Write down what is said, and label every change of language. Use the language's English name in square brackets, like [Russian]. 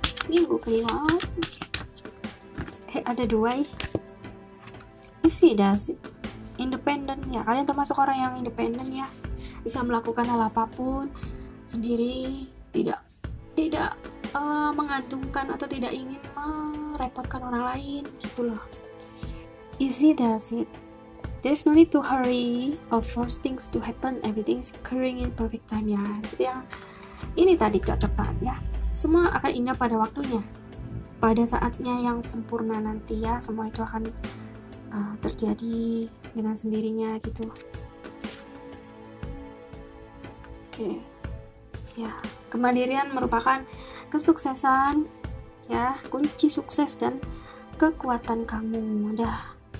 [Indonesian] Minggu Kliwon. Ada dua ya. Isi das. Independen ya. Kalian termasuk orang yang independen ya. Bisa melakukan hal apapun sendiri. Tidak mengantungkan atau tidak ingin merepotkan orang lain. Gitu loh. Isi das. [English] There's no need to hurry or force things to happen. Everything is occurring in perfect time ya. [Indonesian] Jadi yang ini tadi cocok banget ya. Semua akan indah pada waktunya. Pada saatnya yang sempurna nanti ya, semua itu akan terjadi dengan sendirinya gitu. Oke. Okay. Ya, kemandirian merupakan kesuksesan ya, kunci sukses dan kekuatan kamu. Udah.